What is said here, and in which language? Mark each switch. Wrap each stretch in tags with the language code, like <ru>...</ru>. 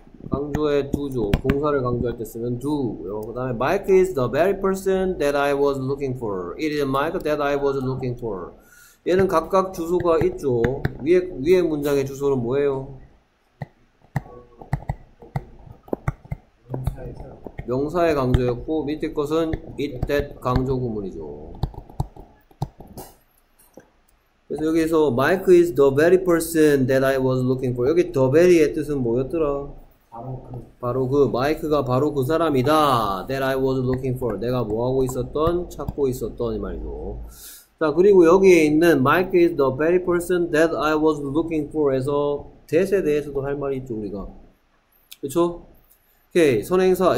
<ko>강조의 두조 공사를 강조할 때 쓰면 do. 그 다음에</ko> <en>Mike is the very person that I was looking for. It is Mike that I was looking for.</en> <ko>얘는 각각 주소가 있죠. 위에 문장의 주소는 뭐예요? 명사의 강조였고 밑에 것은 it that 강조 구문이죠. 그래서 여기서</ko> <en>Mike is the very person that I was looking for.</en> <ko>여기 the very의 뜻은 뭐였더라? 바로 그 마이크가 바로 그 사람이다.</ko> <en>That I was looking for.</en> <ko>내가 뭐하고 있었던? 찾고 있었던 이 말이죠. 자, 그리고 여기에 있는</ko> <en>Mike is the very person that I was looking for</en> <ko>에서 that에 대해서도 할 말이 있죠 우리가. 그쵸? 오케이. 선행사.</ko>